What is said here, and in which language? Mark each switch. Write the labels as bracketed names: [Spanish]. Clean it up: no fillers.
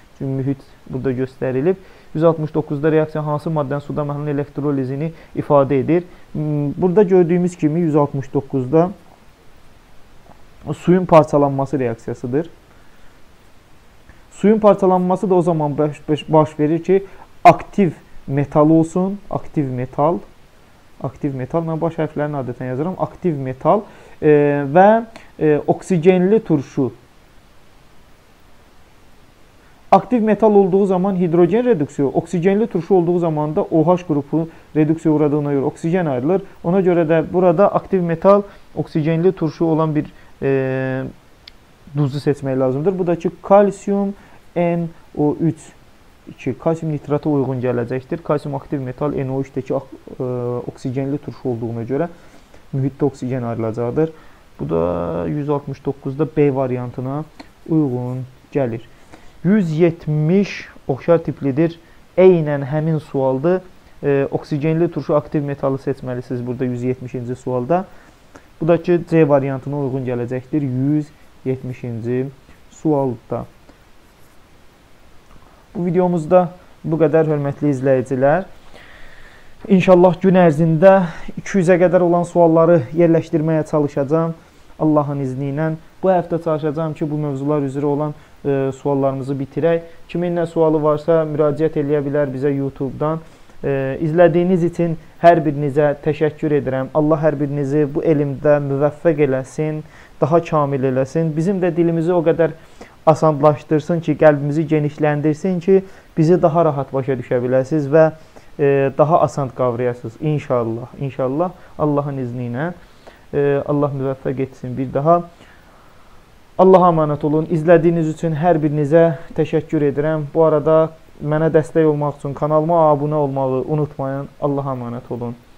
[Azerbaijani] Çünki mühit burada göstərilib. 169-da reaksiya hansı maddən suda məhlənin elektrolizini ifadə edir? Burada gördüyümüz kimi 169-da suyun parçalanması reaksiyasıdır. Suyun parçalanması da o zaman baş verir ki, aktiv metal olsun, aktiv metal, aktiv metal, mən baş hərflərini adətən yazıram, aktiv metal və oksigenli turşu. Aktiv metal olduğu zaman hidrogen reduksiyo, oksigenli turşu olduğu zaman da OH qrupu reduksiyo uğradığına görə oksigen ayrılır. Ona görə də burada aktiv metal oksigenli turşu olan bir duzu seçmək lazımdır. Bu da ki, kalsium NO3. 2. Kalsium nitrata uyğun gələcəkdir. Kalsium aktiv metal NO3-dəki oksigenli turşu olduğuna görə mühitdə oksigen ayrılacaqdır. Bu da 169-da B variantına uyğun gəlir. 170 oxşar tiplidir. Eynən həmin sualdır. Oksigenli turşu aktiv metalı seçməlisiniz burada 170-ci sualda. Bu da ki, C variantına uyğun gələcəkdir 170-ci sualda. Bu videomuzda bu qədər hörmətli izləyicilər. İnşallah gün ərzində 200-ə qədər olan sualları yerləşdirməyə çalışacağım. Allahın izni ilə bu həftə çalışacağım ki, bu mövzular üzrə olan suallarımızı bitirək. Kimin nə sualı varsa müraciət eləyə bilər bizə YouTube-dan. [Turkish] İzlədiyiniz için her birinize teşekkür ederim. [Azerbaijani] Allah her birinizi bu elimde müvaffaq eləsin, daha kamil eləsin. Bizim de dilimizi o kadar asanlaşdırsın ki, kalbimizi genişlendirsin ki, bizi daha rahat başa düşə biləsiniz və daha asan kavrayasınız. [Turkish] İnşallah, inşallah Allah'ın izniyle. Allah müvaffaq etsin bir daha. Allah'a emanet olun. İzlədiyiniz için her birinize teşekkür ederim. [Azerbaijani] Bu arada mənə dəstək olmaq üçün kanalıma abunə olmağı unutmayın. [Turkish] Allah'a emanet olun.